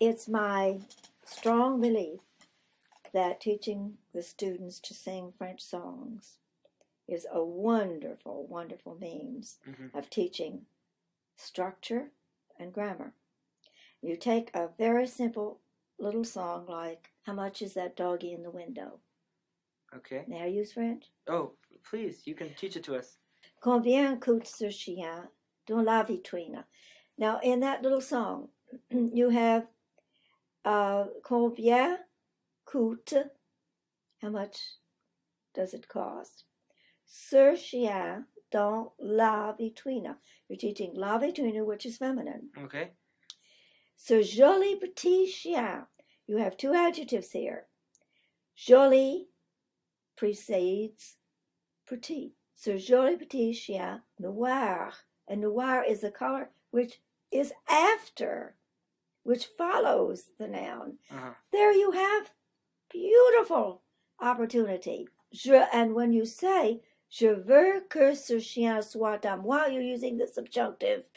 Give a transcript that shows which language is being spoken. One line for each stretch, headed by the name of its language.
English: It's my strong belief that teaching the students to sing French songs is a wonderful, wonderful means mm-hmm. of teaching structure and grammar. You take a very simple little song like, "How much is that doggy in the window?" Okay. May I use French? Oh, please, you can teach it to us.
French: Combien coûte ce chien dans la vitrine?
English: Now, in that little song, you have
French: combien coûte,
English: how much does it cost,
French: ce chien dans la vitrine.
English: You're teaching
French: la vitrine,
English: which is feminine. Okay.
French: Ce joli petit chien.
English: You have two adjectives here. Joli precedes petit. So
French: joli petit chien noir.
English: And noir is the color which is after, which follows the noun. Uh-huh. There you have beautiful opportunity. And when you say,
French: "Je veux que ce chien soit à moi,"
English: you're using the subjunctive